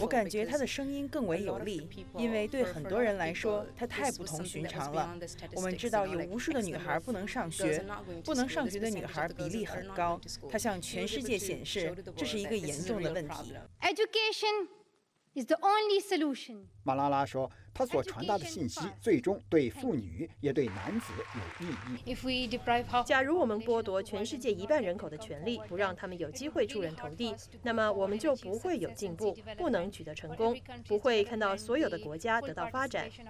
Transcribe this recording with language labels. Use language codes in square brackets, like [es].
[zh] 我感觉他的声音更为有力，因为对很多人来说，他太不同寻常了。我们知道有无数的女孩不能上学，不能上学的女孩比例很高。他向全世界显示，这是一个严重的问题。 [en] Education is the only solution. [zh] 马拉拉说，他所传达的信息最终对妇女也对男子有意义。 [en] If we deprive half, [zh] 假如我们剥夺全世界一半人口的权利，不让他们有机会出人头地，那么我们就不会有进步，不能取得成功，不会看到所有的国家得到发展。